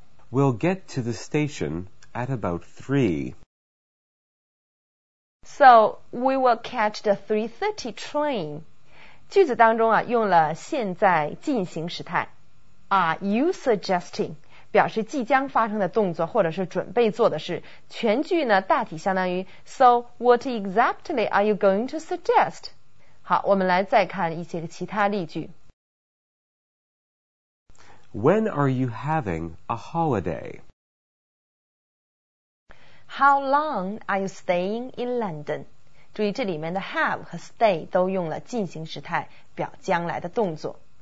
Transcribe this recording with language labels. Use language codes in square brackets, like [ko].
[en] We'll get to the station at about 3. So, we will catch the 3:30 train. [zh] 句子当中啊，用了现在进行时态。 [en] Are you suggesting? [zh] 表示即将发生的动作或者是准备做的事。全句呢，大体相当于 [en] So, what exactly are you going to suggest? [zh] 好，我们来再看一些其他例句。 [en] When are you having a holiday? How long are you staying in London? [zh] 注意这里面的 have 和 stay 都用了进行时态表将来的动作。